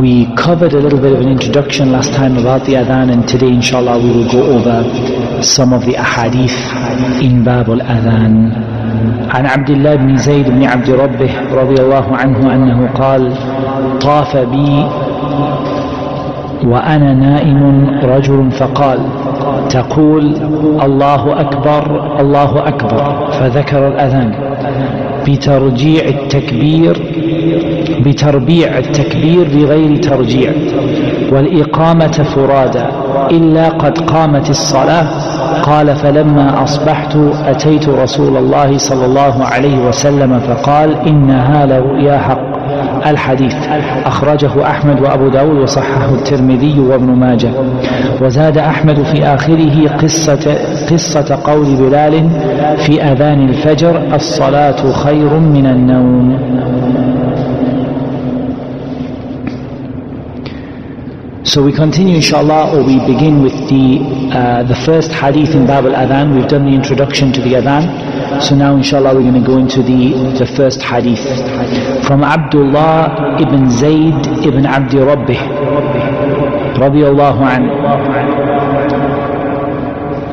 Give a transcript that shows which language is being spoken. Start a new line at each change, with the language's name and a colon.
English: We covered a little bit of an introduction last time about the Adhan, and today inshallah we will go over some of the ahadith in Bab al-Adhan.
Arabic: عن عبد الله بن زيد بن عبد ربه رضي الله عنه أنه قال طاف بي وأنا نائم رجل فقال تقول الله أكبر الله أكبر فذكر الأذان بترجيع التكبير بتربيع التكبير بغير ترجيع والإقامة فرادى إلا قد قامت الصلاة قال فلما أصبحت أتيت رسول الله صلى الله عليه وسلم فقال إنها لرؤيا حق الحديث أخرجه أحمد وأبو داود وصححه الترمذي وابن ماجه وزاد أحمد في آخره قصة قول بلال في أذان الفجر الصلاة خير من النوم.
English: So we continue inshallah, or we begin with the first hadith in Bab al-Adhan. We've done the introduction to the Adhan. So now inshallah we're going to go into the first hadith. From Abdullah ibn Zayd ibn Abdi Rabbih radiyallahu anhu.